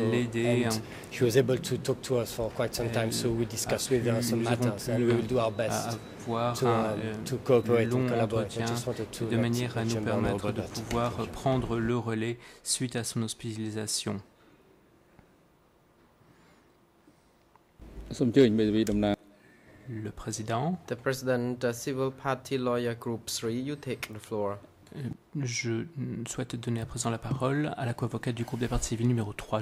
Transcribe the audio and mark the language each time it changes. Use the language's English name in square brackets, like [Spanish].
[English] and she was able to talk to us for quite some time, so we discussed with her some matters, and we will do our best. To cooperate and collaborate. I just wanted to [French] de manière à nous permettre de pouvoir prendre le relais suite à son hospitalisation. Le président. [English] The president, the civil party lawyer group 3, you take the floor. [French] Je souhaite donner à présent la parole à la co-avocate du groupe des partis civils numéro 3.